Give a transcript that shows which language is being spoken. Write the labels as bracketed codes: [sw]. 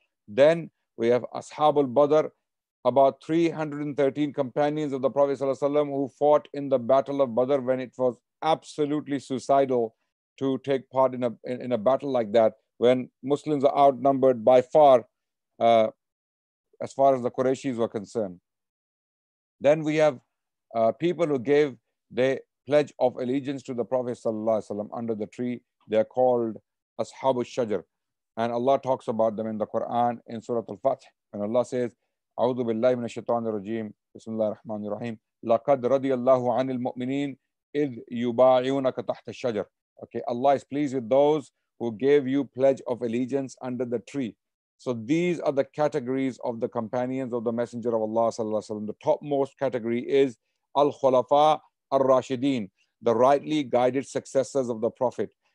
[en] Then we have Ashab al-Badr, about 313 companions of the Prophet sallallahu alaihi wasallam who fought in the Battle of Badr when it was absolutely suicidal to take part in a battle like that, when Muslims are outnumbered by far, as far as the Qurayshis were concerned. Then we have people who gave their pledge of allegiance to the Prophet sallallahu alaihi wasallam under the tree. They are called Ashab al-Shajar. And Allah talks about them in the Quran in Surah Al-Fath. And Allah says, [ar] أعوذ بالله من الشيطان الرجيم بسم الله الرحمن الرحيم لقد رضي الله عن المؤمنين إذ يبايعونك تحت الشجر. [en] Okay, Allah is pleased with those who gave you pledge of allegiance under the tree. So these are the categories of the companions of the Messenger of Allah sallallahu alaihi wasallam. The topmost category is Al-Khulafa al-Rashideen, the rightly guided successors of the Prophet.